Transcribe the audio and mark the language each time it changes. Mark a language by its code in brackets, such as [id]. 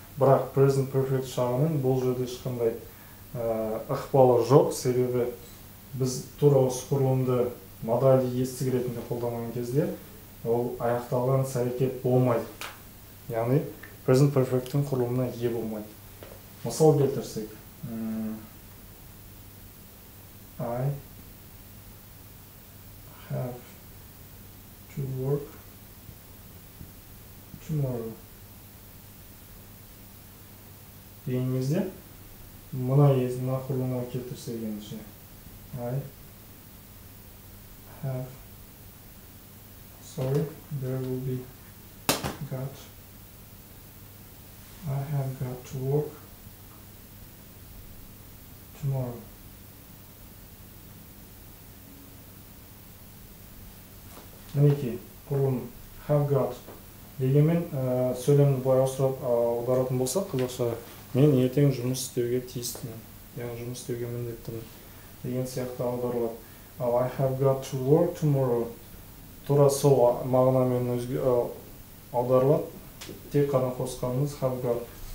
[kk] Бірақ present perfect шағының бұл жерде ешқандай ықпалы жоқ, себебі біз тура осы құрылымды модальді естігі ретінде қолданған кезде ол аяқталған сәйкет болмайды. Яғни present perfect-тің құрылымына ие болмайды. Мысал келтірсек, [en] I have to work tomorrow. [kk] Дегенімізде мына есімді құрылымға келтірсе екенше, [en] I have, sorry, there will be got, I have got to work tomorrow. [kk] Мінекей, құрылым have got дегенмен сөйлемді былай ауыстырып аударатын болса қазақша, мен ертең жұмыс істеуге тиістімін, яғни жұмыс істеуге міндеттімін деген сияқты аударылады. Ал [en] I have got to work tomorrow [kk] тура сол мағынамен аударылады, тек қана қосқанымыз have got.